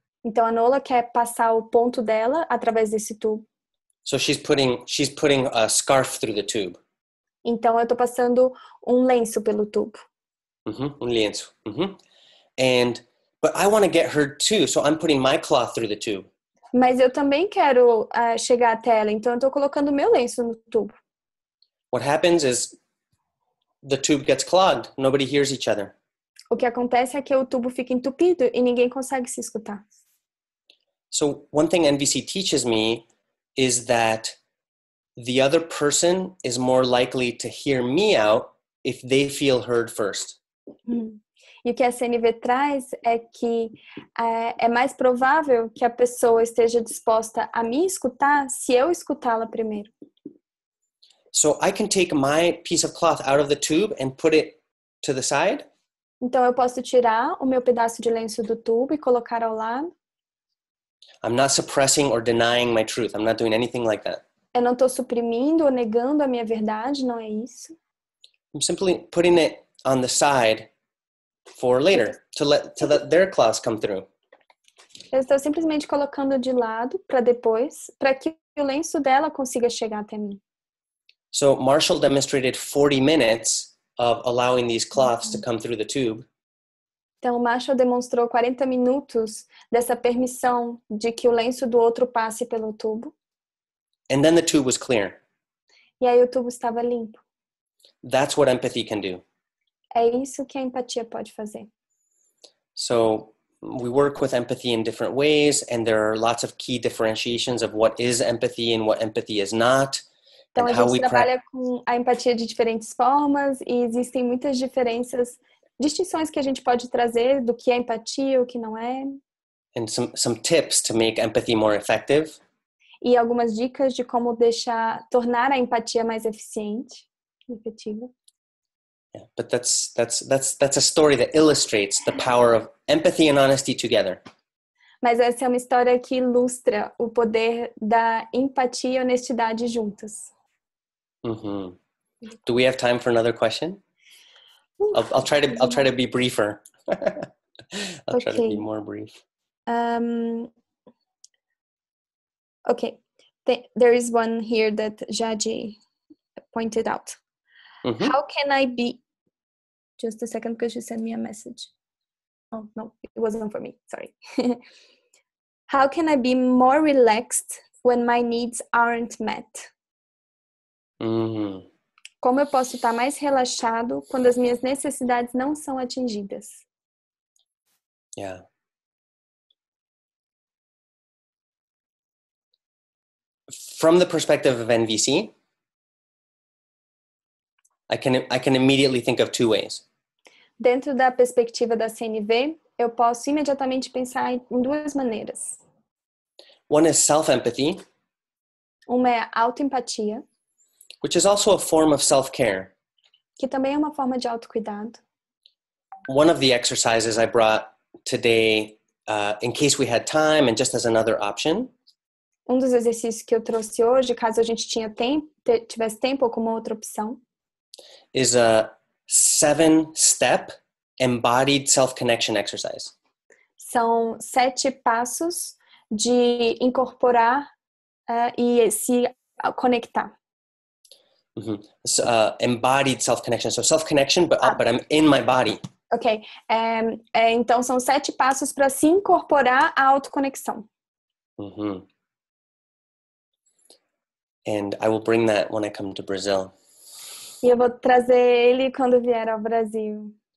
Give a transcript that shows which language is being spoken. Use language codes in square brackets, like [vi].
[pt] Então a Nola quer passar o ponto dela através desse tubo. [en] So she's putting a scarf through the tube. [pt] Então eu tô passando um lenço pelo tubo. [es] Uh-huh, un lienzo. [en] But I want to get her too, so I'm putting my cloth through the tube. [pt] Mas eu também quero chegar até ela, então eu tô colocando meu lenço no tubo. [en] What happens is the tube gets clogged. Nobody hears each other. [pt] O que acontece é que o tubo fica entupido e ninguém consegue se escutar. [en] So one thing NVC teaches me is that the other person is more likely to hear me out if they feel heard first. [pt] E o que a CNV traz é que é mais provável que a pessoa esteja disposta a me escutar se eu escutá-la primeiro. [en] So I can take my piece of cloth out of the tube and put it to the side. [pt] Então eu posso tirar o meu pedaço de lenço do tubo e colocar ao lado. [en] I'm not suppressing or denying my truth. I'm not doing anything like that. [pt] Eu não estou suprimindo ou negando a minha verdade, não é isso. [en] I'm simply putting it on the side for later, to let their cloth come through. [pt] Eu estou simplesmente colocando de lado para depois, para que o lenço dela consiga chegar até mim. [en] So Marshall demonstrated 40 minutes of allowing these cloths to come through the tube. [pt] Então, o Marshall demonstrou 40 minutos dessa permissão de que o lenço do outro passe pelo tubo. [en] And then the tube was clear. [pt] E aí o tubo estava limpo. [en] That's what empathy can do. [pt] É isso que a empatia pode fazer. [en] So, we work with empathy in different ways, and there are lots of key differentiations of what is empathy and what empathy is not. [pt] Então, a gente trabalha com a empatia de diferentes formas, e existem muitas diferenças, distinções que a gente pode trazer do que é empatia, o que não é. [en] And some tips to make empathy more effective. [pt] E algumas dicas de como deixar, tornar a empatia mais eficiente, efetiva. [en] Yeah, but that's a story that illustrates the power of empathy and honesty together. [pt] Mas essa é uma história que ilustra o poder da empatia e honestidade juntas. [en] Mm-hmm. Do we have time for another question? I'll try to be briefer. try to be more brief. Okay. There is one here that Jaji pointed out. Mm-hmm. How can I be? Just a second, because you sent me a message. Oh, no, it wasn't for me. Sorry. How can I be more relaxed when my needs aren't met? Mm-hmm. [pt] Como eu posso estar mais relaxado quando as minhas necessidades não são atingidas? [en] Yeah. from the perspective of NVC, I can immediately think of two ways. [pt] Dentro da perspectiva da CNV, eu posso imediatamente pensar em duas maneiras. [en] One is self-empathy. [pt] Uma é autoempatia. [en] Which is also a form of self-care. [pt] Que também é uma forma de autocuidado. [en] One of the exercises I brought today, in case we had time and just as another option. [pt] Um dos exercícios que eu trouxe hoje, caso a gente tinha tempo, tivesse tempo ou como outra opção. [en] Is a 7-step embodied self-connection exercise. [pt] São 7 passos de incorporar e se conectar. [en] Mm-hmm. So, embodied self-connection. So self-connection, but I'm in my body. Ok. [pt] Então são 7 passos para se incorporar à autoconexão. Mm-hmm. [en] And I will bring that when I come to Brazil. [pt] E eu vou trazer ele quando vier ao Brasil.